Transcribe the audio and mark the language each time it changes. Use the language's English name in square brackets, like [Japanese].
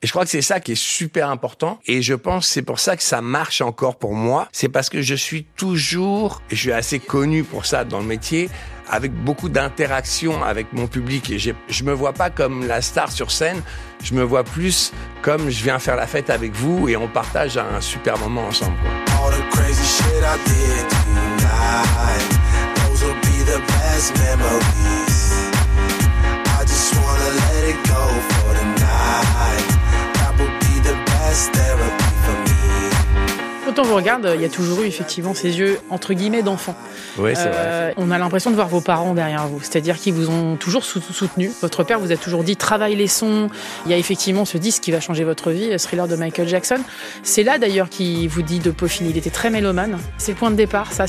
[French] Et je crois que c'est ça qui est super important. Et je pense que c'est pour ça que ça marche encore pour moi. C'est parce que je suis toujours, et je suis assez connu pour ça dans le métier, avec beaucoup d'interactions avec mon public. Et je me vois pas comme la star sur scène. Je me vois plus comme je viens faire la fête avec vous et on partage un super moment ensemble. [English] All the crazy shit I did tonight, those will be the best memories. I just wanna let it go for tonight. That will be the best therapy for me. [French] Quand on vous regarde, il y a toujours eu effectivement ces yeux entre guillemets d'enfant. Oui, c'est vrai. On a l'impression de voir vos parents derrière vous, c'est-à-dire qu'ils vous ont toujours soutenu. Votre père vous a toujours dit « travaille les sons ». Il y a effectivement ce disque qui va changer votre vie, « Thriller » de Michael Jackson. C'est là d'ailleurs qu'il vous dit de peaufiner. Il était très mélomane. C'est le point de départ, ça.